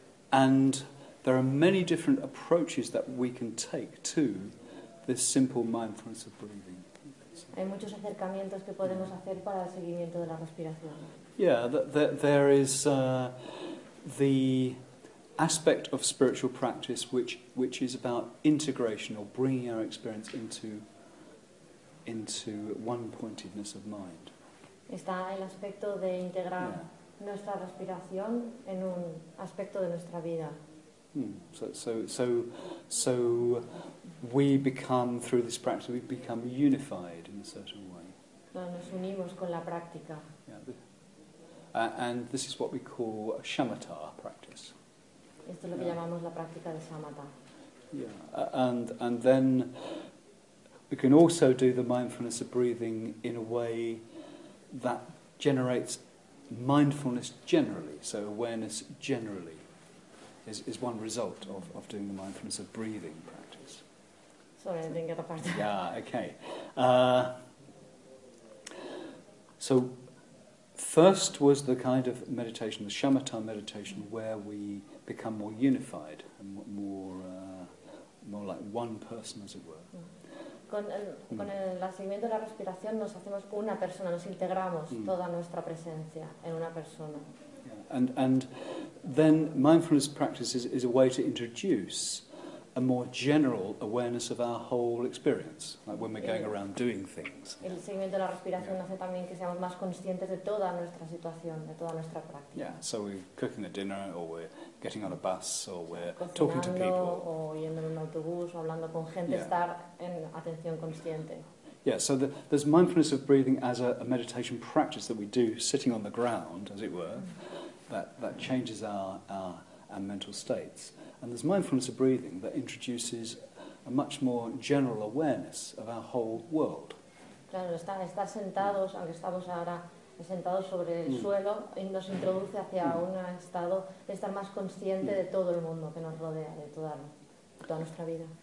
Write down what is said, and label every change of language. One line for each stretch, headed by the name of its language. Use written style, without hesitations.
English: And there are many different approaches that we can take to this simple mindfulness of breathing.
Spanish: Hay muchos acercamientos que podemos hacer para el seguimiento de la respiración.
English: Yeah, there is the aspect of spiritual practice which is about integration or bringing our experience into one-pointedness of mind.
Spanish: Está el aspecto de integrar nuestra respiración en un aspecto de nuestra vida.
English: So we become through this practice we become unified in a certain way.
Spanish: Nos unimos con la práctica.
English: And this is what we call a shamatha practice.
Spanish: Esto es lo que llamamos la práctica de shamatha.
English: And then we can also do the mindfulness of breathing in a way that generates mindfulness generally. So awareness generally is one result of doing the mindfulness of breathing practice. Sorry, I didn't get the part. Yeah, okay. So First was the kind of meditation, the shamatha meditation, where we become more unified and more like one person, as it were.
Spanish: Con el seguimiento de la respiración nos hacemos una persona, nos integramos toda nuestra presencia en una persona.
English: Yeah. And then mindfulness practice is a way to introduce a more general awareness of our whole experience, like when we're going around doing things.
Spanish: El seguimiento de la respiración hace también que seamos más conscientes de toda nuestra situación, de toda nuestra práctica.
English: Yeah, so we're cooking a dinner, or we're getting on a bus, or we're talking to people.
Spanish: O yendo en un autobús, o hablando con gente, estar en atención consciente.
English: Yeah, so there's mindfulness of breathing as a meditation practice that we do sitting on the ground, as it were, that changes our mental states. And there's mindfulness of breathing that introduces a much more general awareness of our whole world.
Spanish: Claro, está sentados, aunque estamos ahora sentados sobre el suelo, y nos introduce hacia un estado de estar más consciente de todo el mundo que nos rodea, de toda nuestra vida.